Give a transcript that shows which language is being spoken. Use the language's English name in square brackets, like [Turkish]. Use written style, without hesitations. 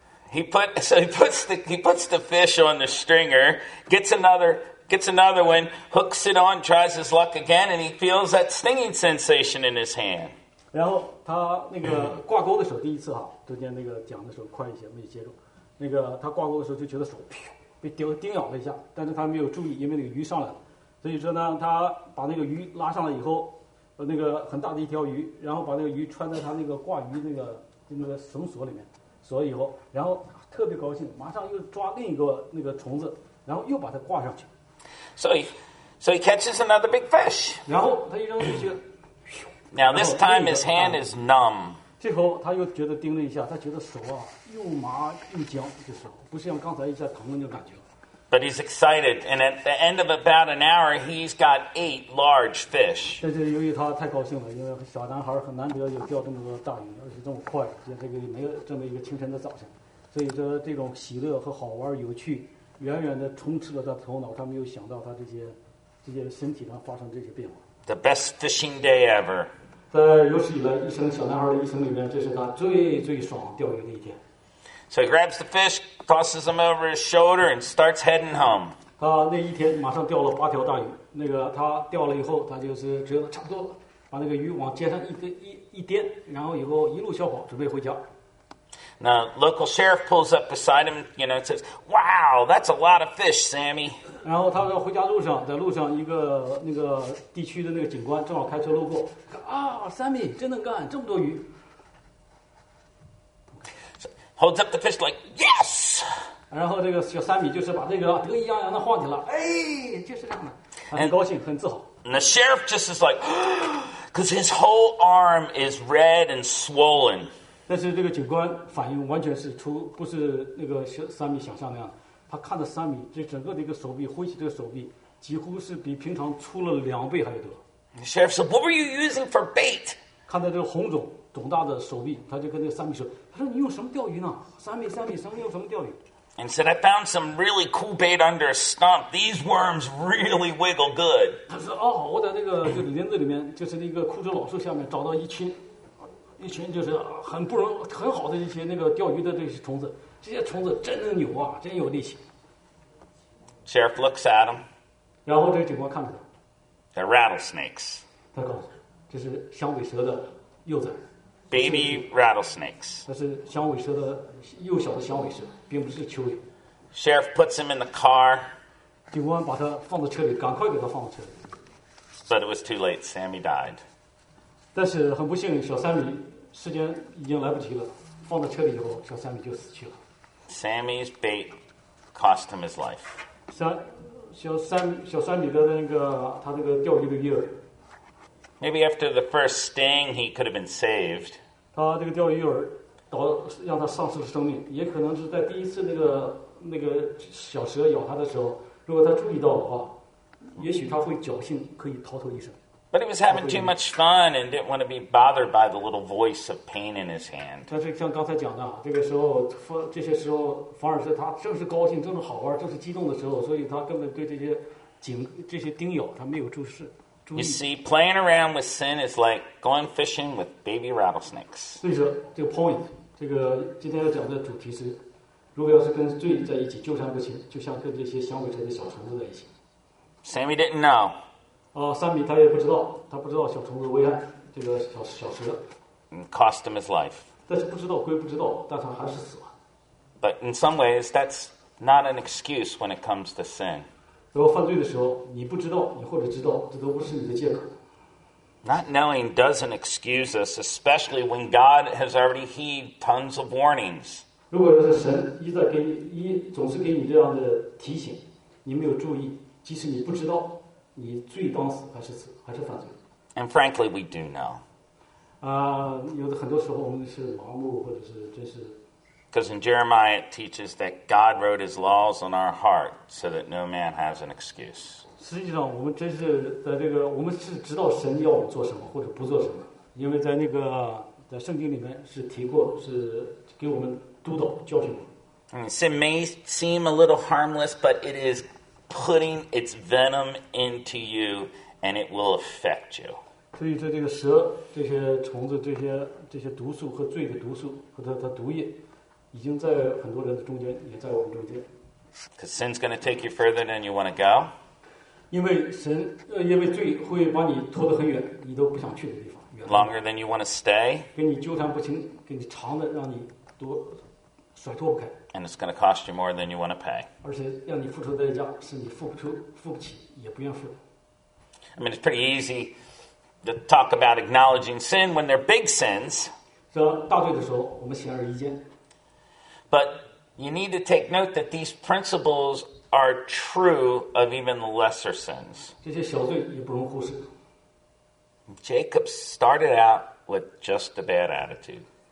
[English] He puts the fish on the stringer, gets another one, hooks it on, tries his luck again, and he feels that stinging sensation in his hand. [Chinese] 然后他那个挂钩的时候，第一次哈，中间那个讲的时候快一些，没接住。那个他挂钩的时候就觉得手被叮咬了一下，但是他没有注意，因为那个鱼上来了。所以说呢，他把那个鱼拉上来以后，那个很大的一条鱼，然后把那个鱼穿在他那个挂鱼那个绳索里面，锁了以后，然后特别高兴，马上又抓另一个那个虫子，然后又把它挂上去。 [English] So he catches another big fish. [Chinese] 然后他一扔出去。 [English] Now this time his hand is numb. [Chinese] 最后他又觉得叮了一下，他觉得手啊又麻又僵，就是不是像刚才一下疼的那种感觉。 [English] But he's excited, and at the end of about an hour, he's got 8 large fish. [Chinese] 但是由于他太高兴了，因为小男孩很难得有钓这么多大鱼，而且这么快，这个没有这么一个清晨的早晨，所以说这种喜乐和好玩有趣，远远的充斥了他头脑，他没有想到他这些身体上发生这些变化。 [English] The best fishing day ever. [Chinese] 在有史以来一生小男孩的一生里面，这是他最最爽钓鱼的一天。 [English] So he grabs the fish, tosses them over his shoulder, and starts heading home. [Chinese] 他那一天马上钓了八条大鱼。那个他钓了以后，他就是觉得差不多了，把那个鱼往街上一颠，然后以后一路小跑准备回家。 [English] Now local sheriff pulls up beside him, you know, and says, "Wow, that's a lot of fish, Sammy." [Chinese] 然后他说回家路上，在路上一个那个地区的那个警官正好开车路过，啊 ，Sammy 真能干，这么多鱼。 [English] So, holds up the fish like yes. [Chinese] 然后这个小 Sammy 就是把这个得意洋洋的晃起来，哎，就是这样的，很高兴，很自豪。 [English] And the sheriff just is like, because his whole arm is red and swollen. [Chinese] 但是这个警官反应完全是不是那个小 Sammy 想象那样。他看着三米，这整个的一个手臂，挥起这个手臂，几乎是比平常粗了两倍还多。 [English] The sheriff said, "What were you using for bait?" [Chinese] 看着这个红肿、肿大的手臂，他就跟那个三米说：“他说你用什么钓鱼呢？三米，三米用什么钓鱼 [English] ？”And said, "I found some really cool bait under a stump. These worms really wiggle good." [Chinese] 他说：“哦，我在那个就林子里面，就是那个枯枝老树下面找到一群就是很不容很好的一些那个钓鱼的这些虫子。” 这些虫子真能扭啊，真有力气。 [English] Sheriff looks at him. [Chinese] 然后这个警官看着他。 [English] They're rattlesnakes. [Chinese] 他告诉他，这是响尾蛇的幼崽。 [English] Baby rattlesnakes. [Chinese] 那是响尾蛇的幼小的响尾蛇，并不是蚯蚓。 [English] Sheriff puts him in the car. [Chinese] 警官把他放到车里，赶快给他放到车里。 [English] But it was too late. Sammy died. [Chinese] 但是很不幸，小三米时间已经来不及了。放到车里以后，小 Sammy 就死去了。 [English] Sammy's bait cost him his life. [Chinese] 小 Sammy 的那个他那个钓鱼的鱼饵。 [English] Maybe after the first sting, he could have been saved. [Chinese] 他这个钓鱼饵导让他丧失了生命，也可能是在第一次那个小蛇咬他的时候，如果他注意到的话，也许他会侥幸可以逃脱一生。 [English] But he was having too much fun and didn't want to be bothered by the little voice of pain in his hand. [Chinese] 但是像刚才讲的，这个时候，这些时候反而是他正是高兴，正是好玩，正是激动的时候，所以他根本对这些叮咬他没有注视。 [English] You see, playing around with sin is like going fishing with baby rattlesnakes. [Chinese] 所以说，这个 point， 这个今天要讲的主题是，如果要是跟罪在一起纠缠不清，就像跟这些响尾蛇的小虫子在一起。 [English] Sammy didn't know. [Chinese] 三米他也不知道，他不知道小虫子危害这个小蛇。 [English] And cost him his life. [Chinese] 但是不知道归不知道，但他还是死了。 [English] But in some ways, that's not an excuse when it comes to sin. [Chinese] 如果犯罪的时候，你不知道，你或者知道，这都不是你的借口。 [English] Not knowing doesn't excuse us, especially when God has already heeded tons of warnings. [Chinese] 如果要是神一再给你一总是给你这样的提醒，你没有注意，即使你不知道。你罪当死还是犯罪 [English] ？And frankly, we do know. [Chinese] 有的很多时候我们是盲目，或者是真是。 [English] Because in Jeremiah it teaches that God wrote His laws on our heart, so that no man has an excuse. [Chinese] 实际上，我们真是在这个，我们是知道神要我们做什么或者不做什么，因为在那个在圣经里面是提过，是给我们督导教训我们。 [English] Sin may seem a little harmless, but it is. Putting its venom into you, and it will affect you. [Chinese] 所以，这个蛇、这些虫子、这些毒素和罪的毒素和它毒液，已经在很多人的中间，也在我们中间。 [English] Because sin's going to take you further than you want to go. [Chinese] 因为罪会把你拖得很远，你都不想去的地方。 [English] Longer than you want to stay. [Chinese] 跟你纠缠不清，跟你长的让你多。甩脱不开。 [English] And it's going to cost you more than you want to pay. [Chinese] 而且让你付出的代价是你付不起，也不愿付。 [English] I mean, it's pretty easy to talk about acknowledging sin when they're big sins. [Chinese] 是大罪的时候，我们显而易见。 [English] But you need to take note that these principles are true of even lesser sins. [Chinese] 这些小罪也不容忽视。 [English] Jacob started out with just a bad attitude.